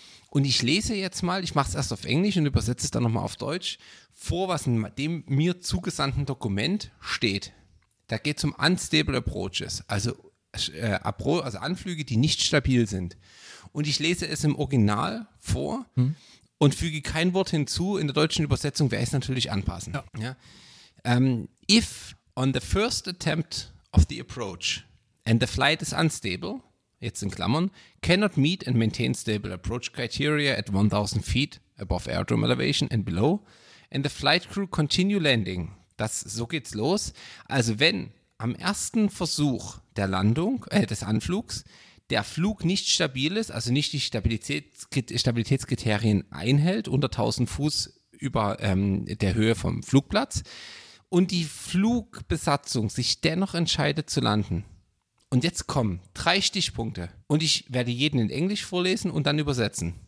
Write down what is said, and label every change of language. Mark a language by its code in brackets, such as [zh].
[de] Und ich lese jetzt mal, ich mache es erst auf Englisch und übersetze es dann nochmal auf Deutsch, vor, was in dem mir zugesandten Dokument steht. Da geht es um Unstable Approaches, also Anflüge, die nicht stabil sind. Und ich lese es im Original vor und füge kein Wort hinzu. In der deutschen Übersetzung werde ich es natürlich anpassen. Ja. Ja. [en] If on the first attempt of the approach and the flight is unstable, [de] jetzt in Klammern, [en] cannot meet and maintain stable approach criteria at 1000 feet above airdrome elevation and below, and the flight crew continue landing. [de] Das, so geht's los. Also wenn am ersten Versuch der Landung, des Anflugs, der Flug nicht stabil ist, also nicht die Stabilitätskriterien einhält, unter 1000 Fuß über der Höhe vom Flugplatz, und die Flugbesatzung sich dennoch entscheidet zu landen, und jetzt kommen 3 Stichpunkte und ich werde jeden in Englisch vorlesen und dann übersetzen.